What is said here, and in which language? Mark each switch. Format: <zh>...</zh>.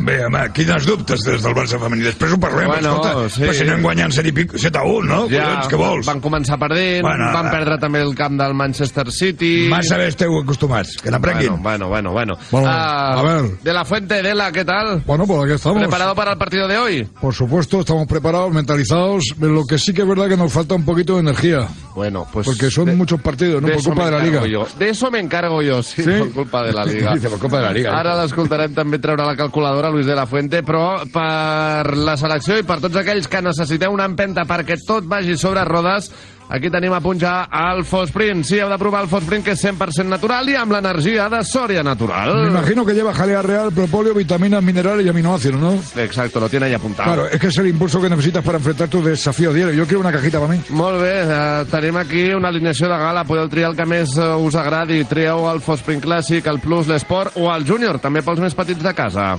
<ca>Bé, home, quins dubtes des del Barça femení. Després ho parlem, bueno, escolta. Sí. Però si anem guanyant 7-1, no? Ja, collons, què vols? Van començar perdent, bueno, van perdre també el camp del Manchester City... Massa bé esteu acostumats, que n'aprenguin. Bueno. De la Fuente, Dela, què tal?</ca> <es>Bueno, pues aquí estamos. ¿Preparado para el partido de hoy? Por supuesto, estamos preparados, mentalizados. Lo que sí que es verdad que nos falta un poquito de energía. Bueno, pues... Porque son muchos partidos, ¿no? Por culpa de la Liga. Yo. De eso me encargo yo, sí, De la Liga. Copa de la Liga.</es> <ca>Ara l'escoltarem també treure la calculadora, Luis de la Fuente, però per la selecció i per tots aquells que necessiteu una empenta perquè tot vagi sobre rodes, aquí tenim a punt ja el Fosprint. Sí, heu de provar el Fosprint, que és 100% natural i amb l'energia de Sòria Natural.</ca> <es>Me imagino que lleva jalea real, propóleo, vitaminas, minerales y aminoácidos, ¿no? Exacto, lo tiene ahí apuntado. Claro, es que es el impulso que necesitas para enfrentar tu desafío diario. Yo quiero una cajita para mí.</es> <ca>Molt bé, tenim aquí una alineació de gala. Podeu triar el que més us agradi. Trieu el Fosprint Clàssic, el Plus, l'Esport o el Junior, també pels més petits de casa.</ca>